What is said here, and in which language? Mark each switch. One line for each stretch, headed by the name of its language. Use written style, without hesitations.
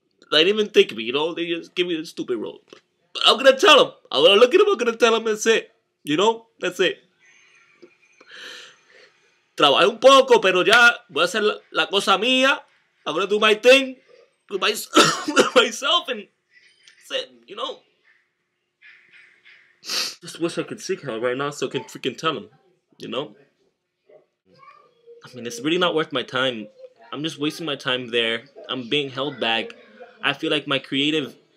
English: They didn't even think of me, you know? They just give me the stupid role. But I'm going to tell them. I'm going to look at them. I'm going to tell them that's it. You know? That's it.
Spanish: Trabajé un poco, pero ya voy a hacer la cosa mía.
English: I'm going to do my thing with myself. And that's it, you know? Just wish I could see Kyle right now so I can freaking tell him. You know? I mean, it's really not worth my time. I'm just wasting my time there. I'm being held back. I feel like my creative